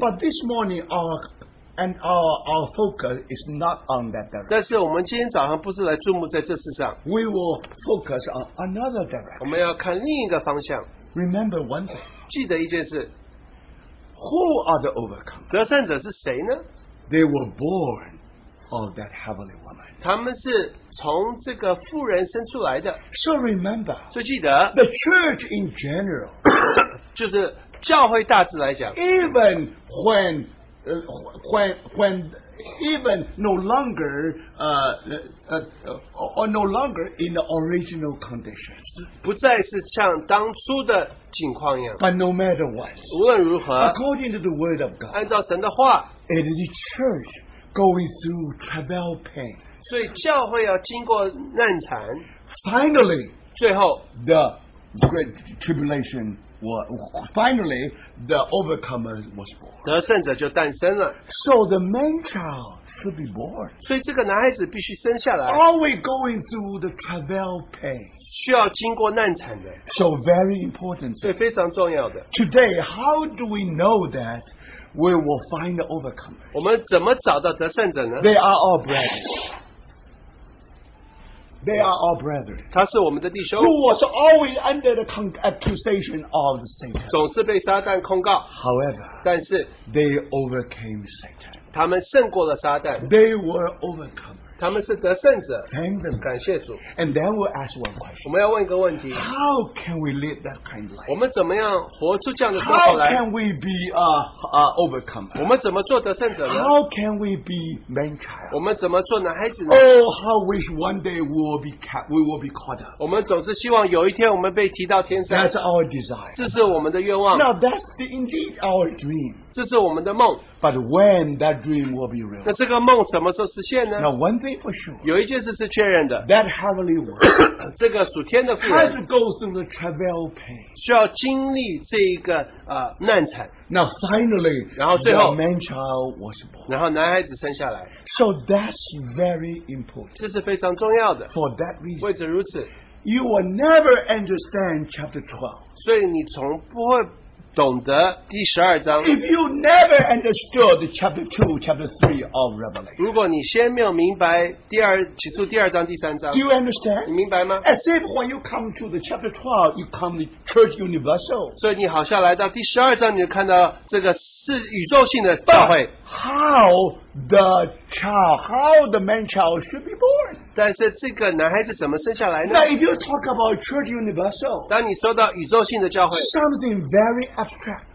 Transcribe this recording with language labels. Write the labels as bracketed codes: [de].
[en] But this morning our focus is not on that direction. [zh] 但是我们今天早上不是来注目在这事上, [en] we will focus on another direction. [zh] 我们要看另一个方向, [en] remember one thing. [zh] 记得一件事, [en] who are the overcomers? [zh] 得胜者是谁呢? [en] They were born of that heavenly woman. [zh] 他们是从这个妇人生出来的, [en] so remember, [zh] 所以记得, [en] the church in general, [zh] 就是教会大致来讲, [en] even when even no longer or no longer in the original condition, [zh] 不再是像当初的情况一样, [en] but no matter what, [zh] 无论如何, [en] according to the word of God, [zh] 按照神的话, [en] it is the church going through travail pain. [zh] 所以教会要经过难产, [en] finally, [zh] 最后, [en] the great tribulation was, finally, the overcomer was born. [zh] 得胜者就诞生了, [en] so the man child should be born. [zh] 所以这个男孩子必须生下来, [en] always going through the travail pain. [zh] 需要经过难产的, [en] so very important. [zh] 所以非常重要的, [en] today, how do we know that we will find the overcomer? [zh] 我们怎么找到得胜者呢? [en] They are our brothers. They are our brethren. [zh] 他是我们的弟兄, [en] who was always under the accusation of Satan. [zh] 总是被撒旦控告, [en] however, [zh] 但是, [en] they overcame Satan. [zh] 他们胜过了撒旦, [en] they were overcome. [zh] 他们是得胜者, [en] thank them. [zh] 感谢主, [en] and then we'll ask one question. [zh] 我们要问一个问题, [en] how can we live that kind of life? [zh] 我们怎么样活出这样的生活来? [en] How can we be overcome? [zh] 我们怎么做得胜者呢? [en] How can we be man-child? [zh] 我们怎么做男孩子呢? [en] Oh, how wish one day we will be caught up. [zh] 我们总是希望有一天我们被提到天上, [en] that's our desire. [zh] 这是我们的愿望, [en] now that's the, indeed our dream. [zh] 这是我们的梦, [en] but when that dream will be real? [zh] 那这个梦什么时候实现呢? [en] Now one thing for sure, [zh] 有一件事是确认的, [en] that heavenly one, [zh] 这个属天的父人, [en] had to go through the travail pain, [zh] 需要经历这一个, 难产, [en] now finally, [zh] 然后最后, [en] the man child was born, [zh] 然后男孩子生下来, [en] so that's very important, [zh] 这是非常重要的, [en] for that reason, [zh] 为此如此, [en] you will never understand chapter 12, [zh] 所以你从不会, [en] if you never understood chapter 2, chapter 3 of Revelation, [zh] 如果你先没有明白第二章第三章, [en] do you understand? [zh] 你明白吗? [en] As if when you come to the chapter 12, you come to Church Universal. [zh] 所以你好像来到第12章, 你就看到这个是宇宙性的教会, [en] how the child, how the man child should be born. [zh] 但是这个男孩子怎么生下来呢? [en] Now if you talk about Church Universal, [zh] 当你说到宇宙性的教会, [en] something very abstract,